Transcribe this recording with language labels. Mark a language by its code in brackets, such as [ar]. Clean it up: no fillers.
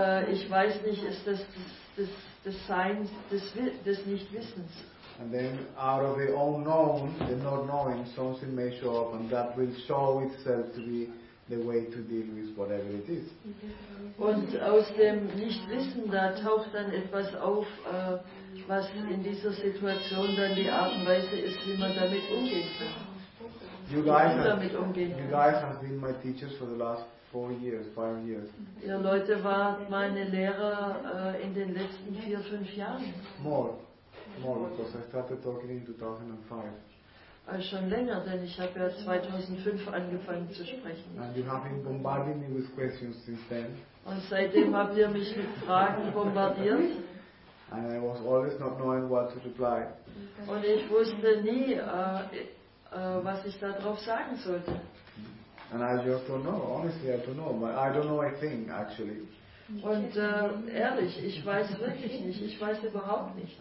[de] Ich weiß nicht, ist das Sein des Nichtwissens. [en] And then out of the unknown, the not knowing, something may show up and that will show itself to be the way to deal with whatever it is. [de] Und aus dem Nichtwissen, da taucht dann etwas auf, was in dieser Situation dann die Art und Weise ist, wie man damit umgehen kann. [en] You guys have been my teachers for the last 4 years, 5 years. [de] Ihr Leute wart meine Lehrer in den letzten 4, 5 Jahren. [en] More, because I started talking in 2005. [de] Schon länger, denn ich habe ja 2005 angefangen zu sprechen. [en] And you have been bombarding me with questions since then. [de] Und seitdem habt ihr mich mit Fragen bombardiert. [en] And I was always not knowing what to reply. [de] Und ich wusste nie, was ich da drauf sagen sollte. [en] And I just don't know, honestly, I don't know. But I don't know a thing, actually. [de] Und ehrlich, ich weiß wirklich nicht, ich weiß überhaupt nichts.